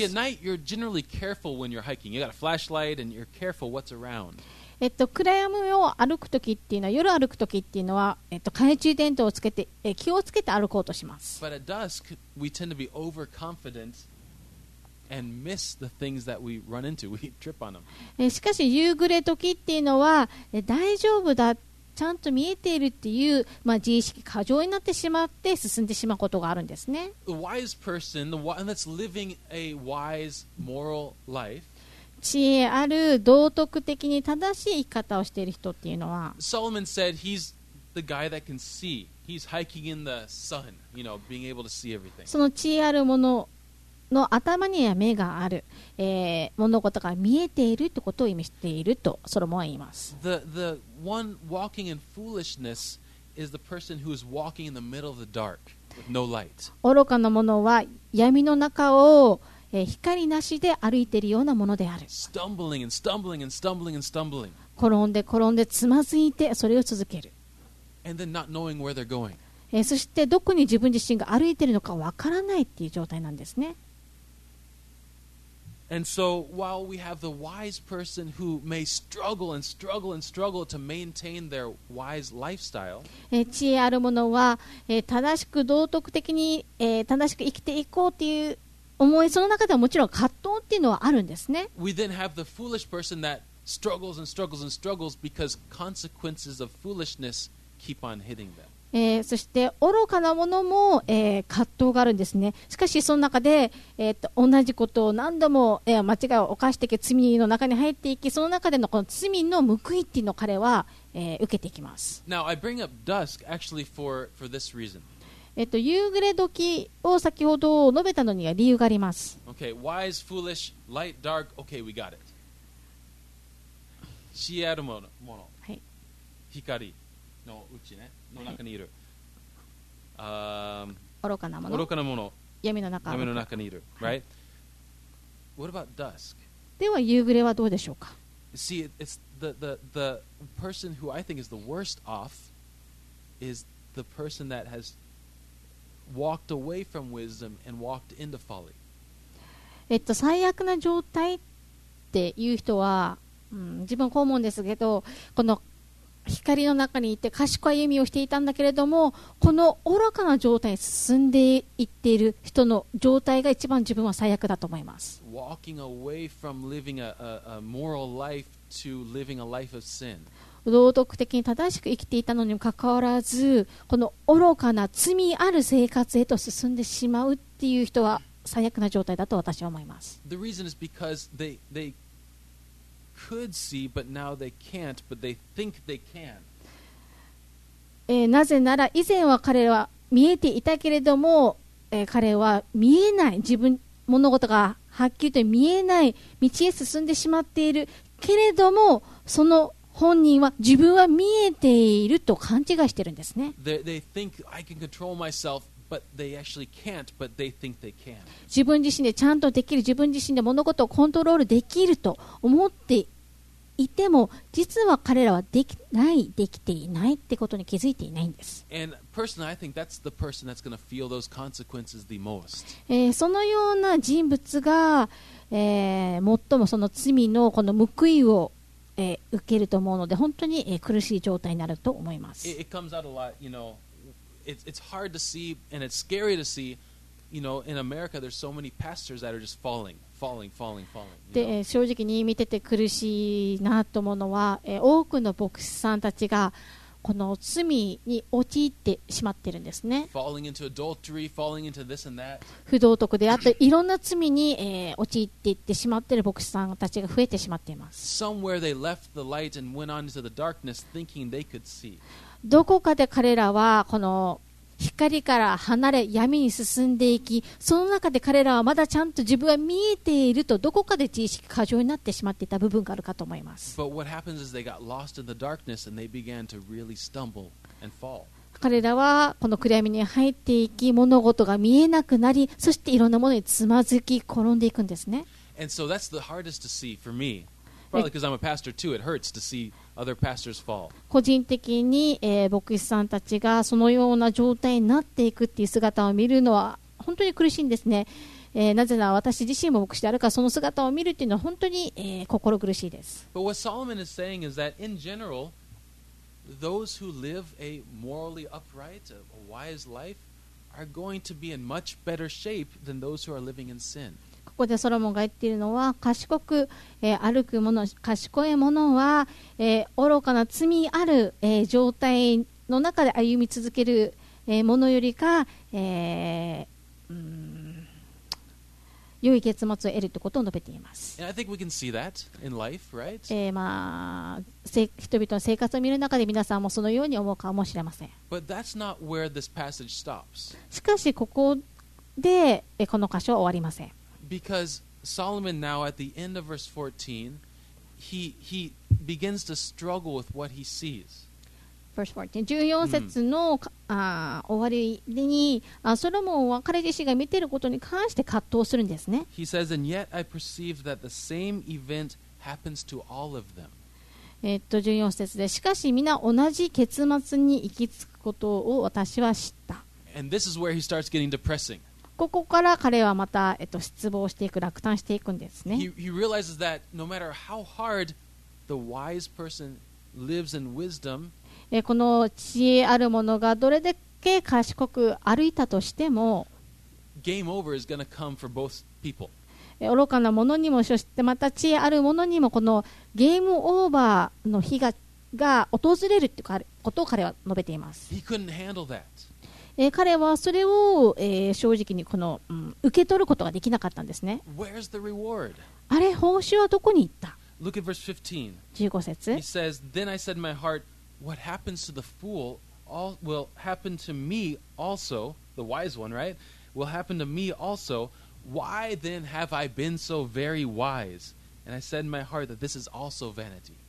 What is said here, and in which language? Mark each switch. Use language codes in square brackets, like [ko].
[en] See, at night, you're generally careful when you're hiking. You got a flashlight and you're careful what's around. [ja] 暗闇を歩くときっていうのは、夜歩くときっていうのは、懐中電灯をつけて、気をつけて歩こうとします。 [en] But at dusk, we tend to be overconfident and miss the things that we run into. We trip on them. [ja] しかし、夕暮れときっていうのは、大丈夫だ、ちゃんと見えているっていう、自意識過剰になってしまって進んでしまうことがあるんですね。 [en] A wise person, the one that's living a wise moral life, [ja] 知恵ある道徳的に正しい生き方をしている人っていうのは、 [en] ソロモン said he's the guy that can see. He's hiking in the sun, you know, being able to see everything. [ja] その知恵あるものの頭には目がある、物事が見えているってことを意味しているとソロモンは言います。 [en] The one walking in foolishness is the person who is walking in the middle of the dark with no light. [ja] 愚かな者は闇の中を光なしで歩いているようなものである。 [en] stumbling and stumbling and stumbling and stumbling. [ja] 転んで転んでつまずいてそれを続ける。 [en] And then not knowing where they're going. [ja] そしてどこに自分自身が歩いているのかわからないっていう状態なんですね。 [en] And so while we have the wise person who may struggle and struggle and struggle to maintain their wise lifestyle, [ja] 知恵ある者は正しく道徳的に正しく生きていこうっていう思い、その中ではもちろん葛藤っていうのはあるんですね。 [en] We then have the foolish person that struggles and struggles and struggles because consequences of foolishness keep on hitting them. [ja] そして愚かなものも、葛藤があるんですね。しかしその中で、同じことを何度も、間違いを犯してき、罪の中に入っていき、その中でのこの罪の報いっていうのを彼は、受けていきます。 [en] Now I bring up dusk actually for this reason. [ja] 夕暮れ時を先ほど述べたのには理由があります。 [en] Okay, wise, foolish, light, dark. Okay, we got it. [ja] 知恵あるもの、はい、光のうちね、の中にいる、はい、愚かなもの、愚かなもの、闇の中、闇の中にいる、はい、 [en] right? What about dusk? [ja] では夕暮れはどうでしょうか。 [en] See, it's the person who I think is the worst off is the person that hasWalked away from wisdom and walked into folly. [ja] 最悪な状態っていう人は、自分こう思うんですけど、この光の中にいて賢い歩みをしていたんだけれども、この愚かな状態に進んでいっている人の状態が一番自分は最悪だと思います。 [en] Walking away from living a moral life to living a life of sin. [ja] 道徳的に正しく生きていたのにもかかわらず、この愚かな罪ある生活へと進んでしまうっていう人は最悪な状態だと私は思います。 [en] The reason is because they could see but now they can't but they think they can. [ja] なぜなら以前は彼は見えていたけれども、彼は見えない、自分物事がはっきりと見えない道へ進んでしまっているけれども、その本人は自分は見えていると勘違いしてるんですね。 [en] They think I can control myself, but they actually can't, but they think they can. [ja] 自分自身でちゃんとできる、自分自身で物事をコントロールできると思っていても、実は彼らはできない、できていないってことに気づいていないんです。 [en] And personally, I think that's the person that's going to feel those consequences the most. [ja] そのような人物が、最もその罪のこの報いを受けると思うので本当に苦しい状態になると思います。 [en] It comes out a lot, you know. It's hard to see and it's scary to see, you know. In America, there's so many pastors that are just falling. [ja] で、正直に見てて苦しいなと思うのは、多くの牧師さんたちがこの罪に陥ってしまってるんですね。 [en] Falling into adultery, falling into this and that. [ja] 不道徳であっていろんな罪に、陥っていってしまってる牧師さんたちが増えてしまっています。 [en] Somewhere they left the light and went on into the darkness thinking they could see. [ja] どこかで彼らはこの光から離れ闇に進んでいき、その中で彼らはまだちゃんと自分は見えているとどこかで知識過剰になってしまっていた部分があるかと思います。 [en] But what happens is they got lost in the darkness and they began to really stumble and fall. [ja] 彼らはこの暗闇に入っていき、物事が見えなくなり、そしていろんなものにつまずき転んでいくんですね。 [en] And so that's the hardest to see for me. Probably because I'm a pastor too. It hurts to see other pastors fall. [ja] 個人的に、牧師さんたちがそのような状態になっていくっていう姿を見るのは本当に苦しいんですね。なぜなら私自身も牧師であるからその姿を見るっていうのは本当に、心苦しいです。 [en] But what Solomon is saying is that in general, those who live a morally upright, a wise life, are going to be in much better shape than those who are living in sin. [ja] ここでソロモンが言っているのは賢く、歩く者賢い者は、愚かな罪ある、状態の中で歩み続ける、者よりか、良い結末を得るということを述べています。 [en] And I think we can see that in life, right? [ja] 人々の生活を見る中で皆さんもそのように思うかもしれません。 [en] But that's not where this passage stops. [ja] しかしここで、この箇所は終わりません。 [en] Because Solomon now at the end of verse 14, he begins to struggle with what he sees. Verse 14. He says, "And yet I perceive that the same event happens to all of them." [ja] 14節で、しかし皆同じ結末に行き着くことを私は知った。 [en] And this is where he starts getting depressing. [ja] ここから彼はまた、失望していく、落胆していくんですね。 [en] He realizes that no matter how hard the wise person lives in wisdom, [ja] この知恵ある者がどれだけ賢く歩いたとしても、 [en] Game over is gonna come for both people. [ja] 愚かな者にも、そしてまた知恵ある者にも、このゲームオーバーの日 が訪れるってことを彼は述べています。 [en] He couldn't handle that. [ja] 彼はそれを、正直にこの、受け取ることができなかったんですね。 [en] Where's the reward? [ja] あれ、報酬はどこに行った？ [en] Look at verse [ja] 15. 15節。 [en] He says, "Then I said in my heart, 'What happens to the fool will happen to me also, the wise one, right? Will happen to me also. Why then have I been so very wise? And I said in my heart that this is also vanity.'"